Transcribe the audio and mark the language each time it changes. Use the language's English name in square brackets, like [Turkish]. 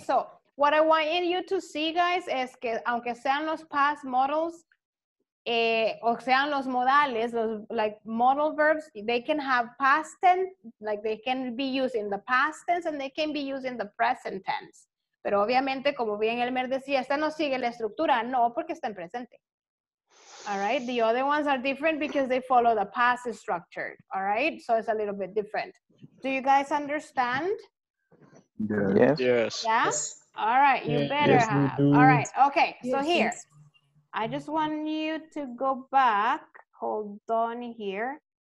[English] So what I want you to see, guys, is [Spanish] que aunque sean los [English] past models, [Spanish] o sean los modales, los, [English] like modal verbs, they can have past tense, like they can be used in the past tense and they can be used in the present tense. [Spanish] Pero obviamente, como bien Elmer decía, esta no sigue la estructura, no, porque está en presente. [English] All right, the other ones are different because they follow the past structure. All right, so it's a little bit different. Do you guys understand? Yes. Yes. Yeah? Yes. All right, you better yes, have. All right, okay, yes, so here. Yes. I just want you to go back, hold on here.